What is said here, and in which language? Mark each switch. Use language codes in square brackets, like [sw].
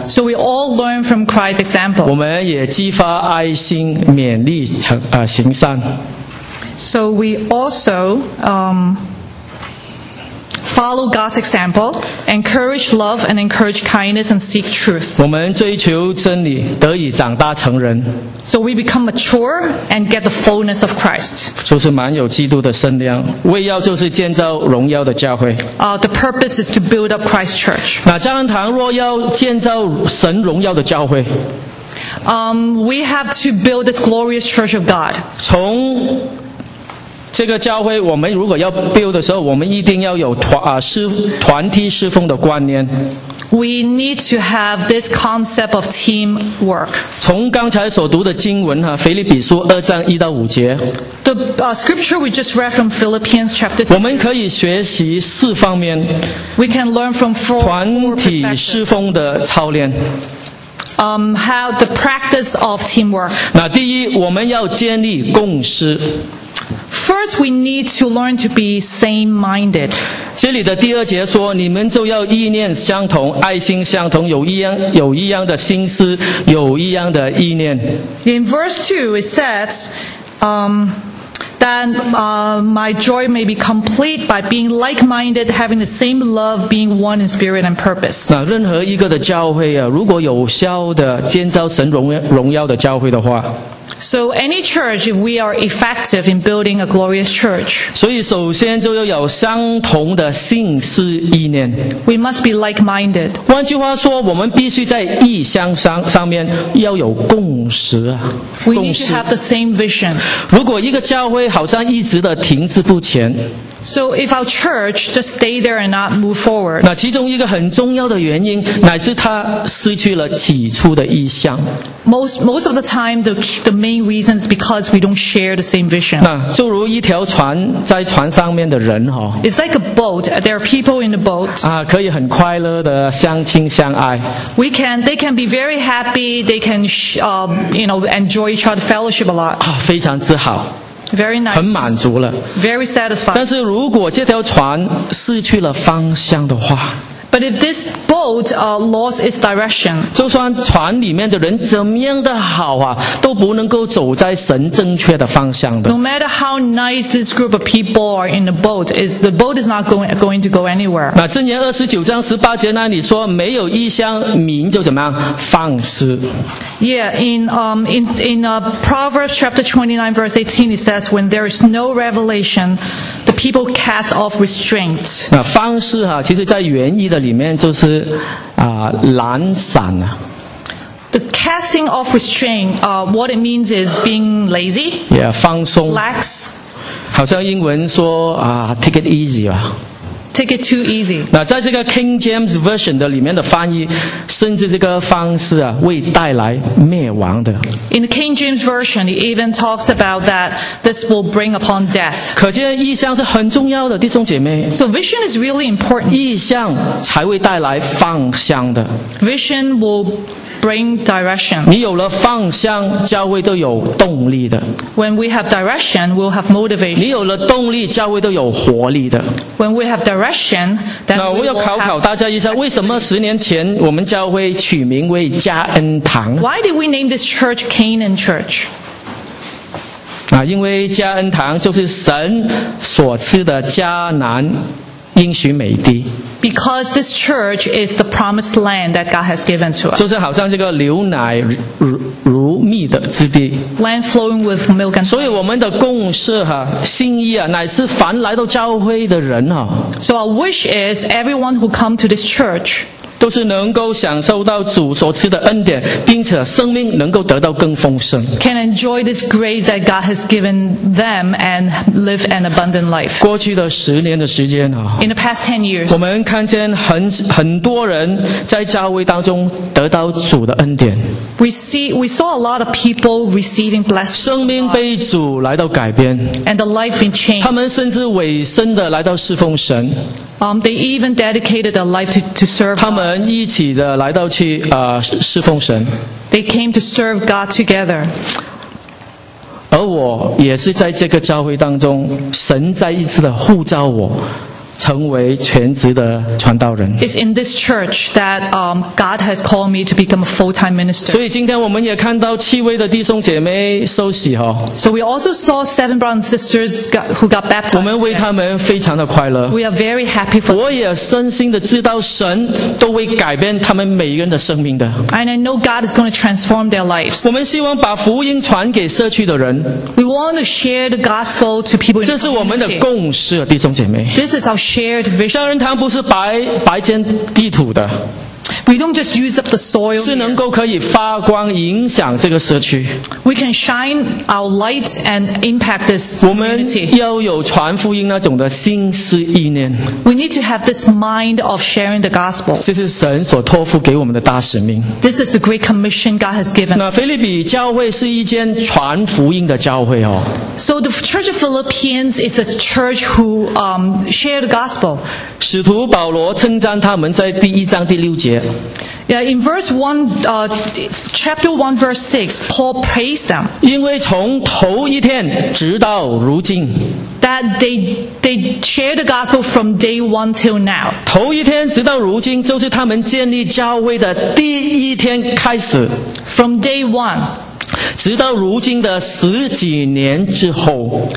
[en] So we all learn from Christ's example. [zh] 我们也激发爱心，勉励行善。 [en] So we also follow God's example. encourage love and encourage kindness and seek truth. [zh] 我们追求真理，得以长大成人。 [en] So we become mature and get the fullness of Christ. [zh] 就是满有基督的身量，为要就是建造荣耀的教会。 [en] The purpose is to build up Christ's church. [zh] 那加恩堂若要建造神荣耀的教会。 [en] We have to build this glorious church of God. [zh] 从这个教会我们如果要 build 的时候，我们一定要有 团体侍奉的观念。 [en] We need to have this concept of teamwork. [zh] 从刚才所读的经文，腓立比书二章一到五节。 [en] The scripture we just read from Philippians chapter 2. [zh] 我们可以学习四方面。 [en] We can learn from four perspectives. [zh] 团体侍奉的操练。 [en] How the practice of teamwork. [zh] 那第一，我们要建立共识。 [en] First, we need to learn to be same-minded. [zh] 这里的第二节说，你们就要意念相同，爱心相同，有一样的心思，有一样的意念。 [en] In verse 2, it says, that my joy may be complete by being like-minded, having the same love, being one in spirit and purpose. [zh] 那任何一个的教会啊，如果有效的建造神荣耀的教会的话。 [en] So any church, if we are effective in building a glorious church, [zh] 所以首先就要有相同的心思意念。 [en] We must be like-minded. [zh] 换句话说，我们必须在意向上面要有共识啊。 [en] We need to have the same vision. [zh] 如果一个教会好像一直的停滞不前。 [en] So if our church just stay there and not move forward, [zh] 那其中一个很重要的原因乃是它失去了起初的意向。 [en] Most of the time, the main reason is because we don't share the same vision. [zh] 那就如一条船在船上面的人哈。 [en] It's like a boat. There are people in the boat. [zh] 啊，可以很快乐的相亲相爱。 [en] They can be very happy. They can enjoy each other fellowship a lot. [zh] 啊，非常之好。 [en] Very nice. [zh] 很满足了。 [en] Very satisfied. [zh] 但是如果这条船失去了方向的话。 [en] But if this boat lost its direction. [zh] 就算船里面的人怎么样的好啊，都不能够走在神正确的方向的。 [en] No matter how nice this group of people are in the boat, the boat is not going to go anywhere. [zh] 那箴言二十九章十八节那里说，没有异乡民就怎么样，放肆。 [en] Yeah, in Proverbs chapter 29 verse 18, it says, when there is no revelation, the people cast off restraint. [zh] 那放肆啊，其实在原意的里面就是懒散啊。 [en] The casting off restraint, what it means is being lazy. [zh] Yeah, 放松。 [en] Lax. [zh] 好像英文说 [en] take it easy [zh] 吧。 [en] Take it too easy. [zh] 那在这个 King James Version 的里面的翻译，甚至这个方式啊，会带来灭亡的。 [en] In the King James Version, it even talks about that this will bring upon death. [zh] 可见意向是很重要的，弟兄姐妹。 [en] So vision is really important. [zh] 意向才会带来方向的。 [en] Vision will bring direction. [zh] 你有了方向，教会都有动力的。 [en] When we have direction, we'll have motivation. [zh] 你有了动力，教会都有活力的。 [en] When we have direction, then [zh] 那我要考考大家一下，为什么十年前我们教会取名为加恩堂 [en] ？Why did we name this church Canaan Church? [zh] 啊，因为加恩堂就是神所赐的迦南。应许美地 [en] ，because this church is the promised land that God has given to us， [zh] 就是好像这个牛奶如蜜的之地 [en] ，land flowing with milk and。 [zh] 所以我们的共识哈、心意啊，乃是凡来到教会的人哈、 [en] So our wish is everyone who come to this church， [zh] 都是能够享受到主所赐的恩典，并且生命能够得到更丰盛。 [en] Can enjoy this grace that God has given them and live an abundant life。 [zh] 过去的十年的时间啊 [en] ，In the past 10 years， [zh] 我们看见很多人在教会当中得到主的恩典。 [en] We saw a lot of people receiving blessings. [zh] 生命被主来到改变。 [en] And the life being changed. [zh] 他们甚至委身的来到侍奉神。 [en] They even dedicated their life to serve. [zh] 他们一起的来到去侍奉神。 [en] They came to serve God together. [zh] 而我也是在这个教会当中，神再一次的呼召我。成为全职的传道人。 [en] It's in this church that God has called me to become a full-time minister. [zh] 所以今天我们也看到七位的弟兄姐妹受洗哦。 [en] So we also saw seven brothers and sisters who got baptized. [zh] 我们为他们非常的快乐。 [en] We are very happy for. [zh] 我也深信的知道神都会改变他们每一个人的生命的。 [en] And I know God is going to transform their lives. [zh] 我们希望把福音传给社区的人。 [en] We want to share the gospel to people. [zh] 这是我们的共识，弟兄姐妹。 [en] This is our shared vision. [zh] 香人堂不是白捡地土的。 [en] We don't just use up the soil. [zh] 是能够可以发光影响这个社区。 [en] We can shine our light and impact this community. [zh] 我们要有传福音那种的心思意念。 [en] We need to have this mind of sharing the gospel. [zh] 这是神所托付给我们的大使命。 [en] This is the great commission God has given. [zh] 那腓立比教会是一间传福音的教会哦。 [en] So the Church of Philippians is a church who share the gospel. [zh] 使徒保罗称赞他们在第一章第六节。 [en] Yeah, in verse 1, chapter 1, verse 6, Paul praised them. [zh] 因为从头一天直到如今。 [en] That they share the gospel from day 1 till now. [zh] 头一天直到如今就是他们建立教会的第一天开始。 [en] From day 1. [zh] 直到如今的十几年之后。